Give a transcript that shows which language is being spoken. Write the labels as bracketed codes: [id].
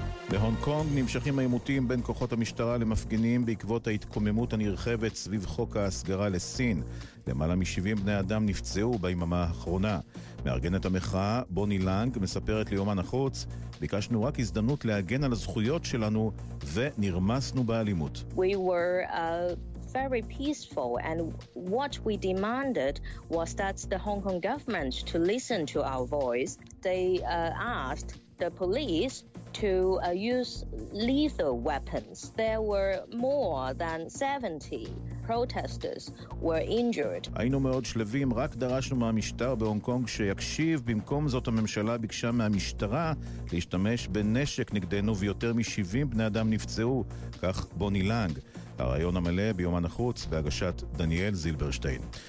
[he] בהונג קונג נמשכים העימותים בין כוחות המשטרה למפגינים בעקבות ההתקוממות הנרחבת סביב חוק ההסגרה לסין. למעלה מ-70 בני אדם נפצעו ביממה האחרונה. מארגנת המחאה, בוני לנג, מספרת ליומן החוץ, ביקשנו רק הזדמנות להגן על הזכויות שלנו ונרמסנו באלימות. [en] We were very peaceful and what we demanded was that the Hong Kong government to listen to our voice. They asked the police to use lethal weapons. There were more than 70 protesters were injured. [he] היינו מאוד שלווים, רק דרשנו מהמשטר בהונג קונג שיקשיב. במקום זאת הממשלה ביקשה מהמשטרה להשתמש בנשק נגדנו ויותר מ-70 בני אדם נפצעו, כך בוני לנג. הרעיון המלא ביומן החוץ בהגשת דניאל זילברשטיין.